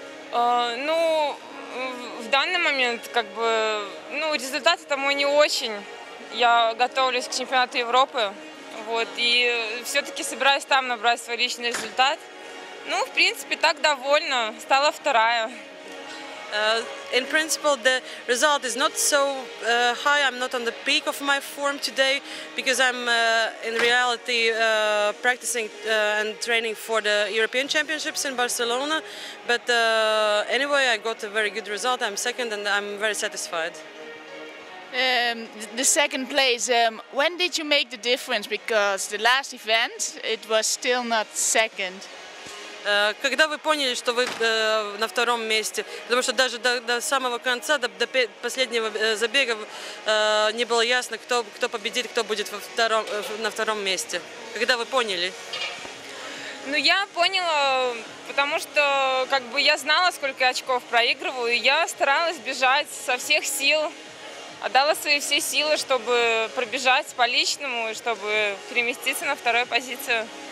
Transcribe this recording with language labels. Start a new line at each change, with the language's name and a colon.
Russian: Ну, в данный момент, как бы, ну, результаты-то мой не очень. Я готовлюсь к чемпионату Европы, вот, и все-таки собираюсь там набрать свой личный результат. Ну, в принципе, так довольна, стала вторая.
English: In principle, the result is not so high. I'm not on the peak of my form today because I'm in reality practicing and training for the European Championships in Barcelona. But anyway, I got a very good result. I'm second and I'm very satisfied. The second place, when did you make the difference? Because the last event, it was still not second.
Russian: Когда вы поняли, что вы на втором месте? Потому что даже до самого конца, до последнего забега не было ясно, кто победит, кто будет на втором месте. Когда вы поняли? Ну, я поняла, потому что как бы я знала, сколько очков проигрываю, и я старалась бежать со всех сил, отдала свои все силы, чтобы пробежать по-личному, и чтобы переместиться на вторую позицию.